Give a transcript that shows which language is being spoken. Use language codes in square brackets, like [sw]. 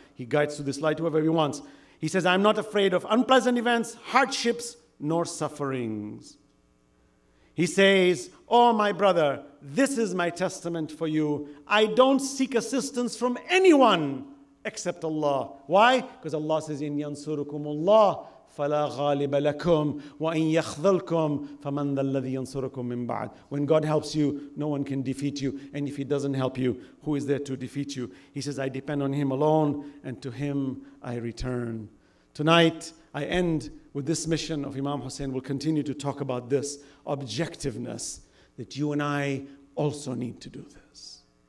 [en] He guides through this light whoever he wants. He says, I am not afraid of unpleasant events, hardships, nor sufferings. He says, oh my brother, this is my testament for you. I don't seek assistance from anyone except Allah. Why? Because Allah says, [ar] in yansurukum Allah, فَلَا غَالِبَ لَكُمْ وَإِنْ يَخْذَلْكُمْ فَمَنْ ذَلَّذِي يَنْصُرُكُمْ مِنْ بَعْدٍ. [en] When God helps you, no one can defeat you. And if he doesn't help you, who is there to defeat you? He says, I depend on him alone, and to him I return. Tonight, I end with this mission of Imam Hussain. We'll continue to talk about this objectiveness, that you and I also need to do this.